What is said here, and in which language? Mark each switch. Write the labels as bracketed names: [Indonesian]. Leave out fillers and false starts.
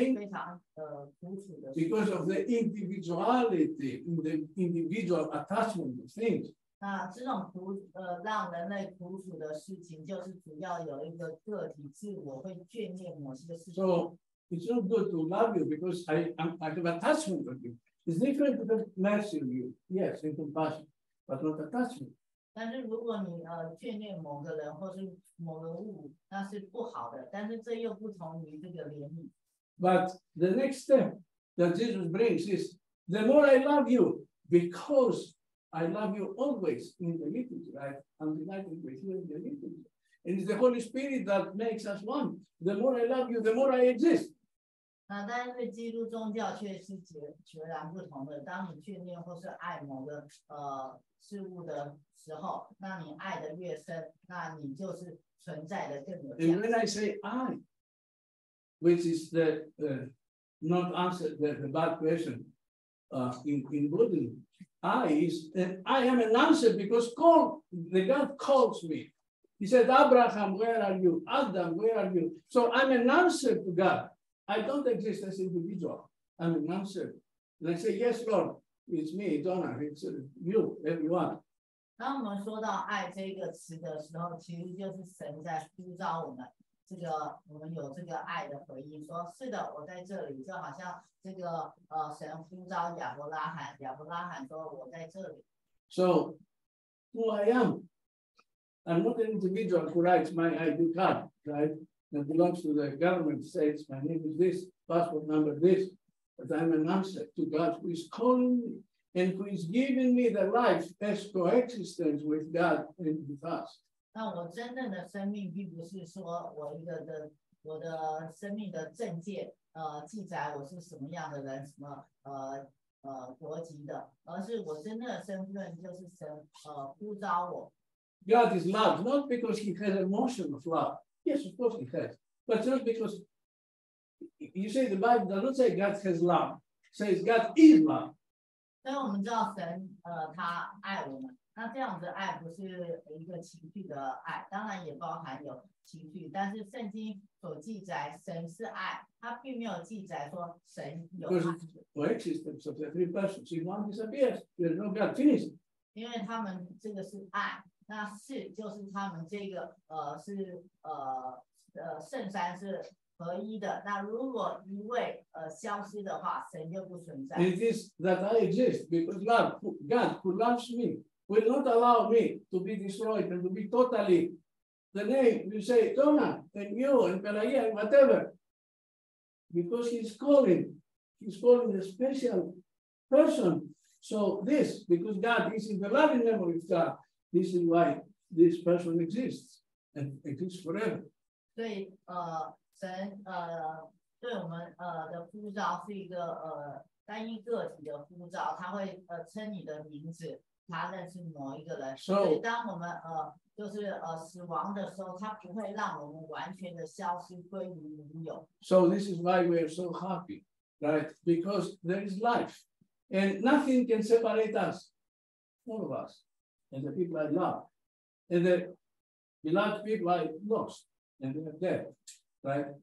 [English] The pain, because of the individuality, the individual attachment to things. [Chinese] 那这种苦让人类苦楚的事情，就是主要有一个个体自我会眷恋某些事情。 [English] So it's not good to love you because I have attachment to you. It's different to have mercy on you, yes, and compassion, but not attachment. [Chinese] 但是如果你眷恋某个人或是某个物，那是不好的。但是这又不同于这个怜悯。 [English] But the next step that Jesus brings is the more I love you because I love you always in the liturgy, right? I'm delighted with you in the liturgy, and it's the Holy Spirit that makes us one. The more I love you, the more I exist. [Chinese] 那但是基督宗教却是截然不同的。当你眷恋或是爱某个事物的时候，那你爱的越深，那你就是存在的更有价值。 [English] And when I say I, which is the not answer the bad question, in Buddhism, I am an answer because the God calls me. He said, Abraham, where are you? Adam, where are you? So I'm an answer to God. I don't exist as individual. I'm an answer. And I say, yes, Lord. It's me, Donna. It's you, everyone. [Chinese] 当我们说到爱这个词的时候，其实就是神在呼召我们。这个我们有这个爱的回应，说是的，我在这里，就好像这个神呼召亚伯拉罕，亚伯拉罕说我在这里。 [English] So, who I am? I'm not an individual who writes my ID card, right? That belongs to the government. Says my name is this, passport number this. But I'm an answer to God who is calling me and who is giving me the life as coexistence with God and with us. [Chinese] 那我真正的生命并不是说我一个的我的生命的证件记载我是什么样的人什么国籍的，而是我真正的身份就是神呼召我。 [English] God is love, not because he has emotion of love. Yes, of course he has, but just because. You say the Bible does not say God has love, it says God is love. [Chinese] 所以我们知道神他爱我们，那这样子的爱不是一个情绪的爱，当然也包含有情绪，但是圣经所记载神是爱，他并没有记载说神有爱。 [English] Because the existence of the three persons, if one disappears, there's no God finished. [Chinese] 因为他们这个是爱，那是就是他们这个是圣三是合一的，那如果一位消失的话，神就不存在。 [English] It is that I exist because love, God who loves me. Will not allow me to be destroyed and to be totally the name you say, Jonah, and you, and Pelagia, and whatever. Because he's calling a special person. So, this, because God is in the loving memory of God, this is why this person exists and exists forever. [Chinese] 对，神，对我们，的呼召是一个，单一个体的呼召，他会，称你的名字。他认识某一个人，所以当我们死亡的时候，他不会让我们完全的消失归于无有。 [English] So this is why we are so happy, right? Because there is life, and nothing can separate us, all of us, and the people I love, and the beloved people I lost, and they are dead, right?